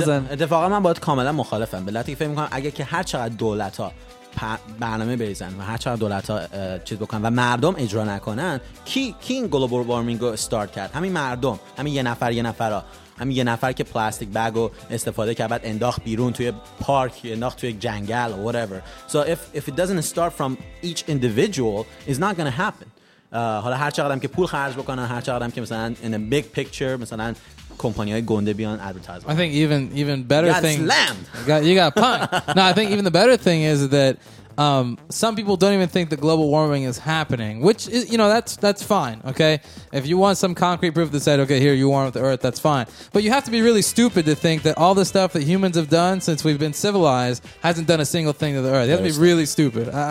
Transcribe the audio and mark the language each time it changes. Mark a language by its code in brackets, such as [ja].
[fa] اتفاقا من باید کاملا مخالفم، به علتی که فکر میکنم اگه که هر چقدر دولت ها برنامه بریزن و هر چقدر دولت ها چیز بکنن و مردم اجرا نکنن، کی این گلوبال وارمینگ رو استارت کرد؟ همین مردم، همین یه نفر همین یه نفر که پلاستیک بگ رو استفاده کرد بعد انداخت بیرون توی پارک، انداخت توی جنگل [en] or whatever. So if it doesn't start from each individual, it's not gonna happen. [fa] حالا هر چقدر هم که پول خرج بکنن، هر چقدر هم که مثلا [en] in a big picture [fa] مثلا کمپانی‌های گنده بیان ادورتایز. [en] I think even better you thing got slammed. You got punked. No, I think even the better thing is that some people don't even think that global warming is happening, which is, you know, that's fine, okay? If you want some concrete proof that said, okay, here, you warm up the earth, that's fine. But you have to be really stupid to think that all the stuff that humans have done since we've been civilized hasn't done a single thing to the earth. You have to be really stupid.